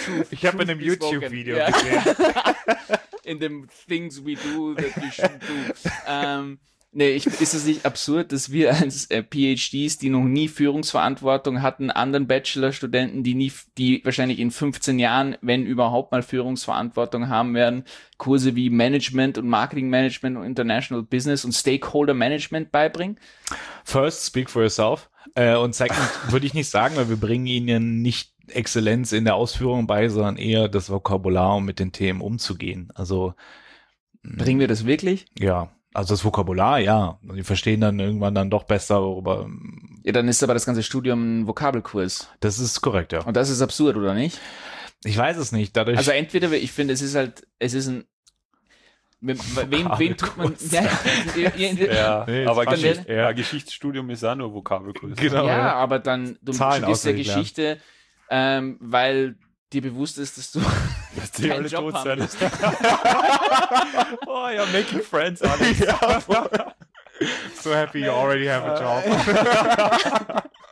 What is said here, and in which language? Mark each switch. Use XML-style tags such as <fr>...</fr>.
<de>ich habe in einem YouTube-Video gesehen. In dem</de> <en>Things We Do That We Shouldn't Do.</en> <de>Ist es nicht absurd, dass wir als PhDs, die noch nie Führungsverantwortung hatten, anderen Bachelorstudenten, die wahrscheinlich in 15 Jahren, wenn überhaupt mal Führungsverantwortung haben werden, Kurse wie Management und Marketing Management und International Business und Stakeholder Management beibringen?</de> <en>First, speak for yourself.</en> <de>Und</de> <en>second,</en> <de>würde ich nicht sagen, weil wir bringen ihnen nicht Exzellenz in der Ausführung bei, sondern eher das Vokabular, um mit den Themen umzugehen. Also bringen wir das wirklich? Ja. Also das Vokabular, ja. Die verstehen dann irgendwann dann doch besser, worüber... Ja, dann ist aber das ganze Studium ein Vokabelkurs. Das ist korrekt, ja. Und das ist absurd, oder nicht? Ich weiß es nicht, dadurch... Also entweder, ich finde, es ist ein... Wem tut man... Ja, aber Geschichtsstudium ist auch nur Vokabelkurs. Genau. Ja, aber dann, du studierst ja Geschichte, weil dir bewusst ist, dass du... Dass die alle tot sind.</de> <en>Oh, you're making friends, Alex. Ja, so happy you already have a job.</en>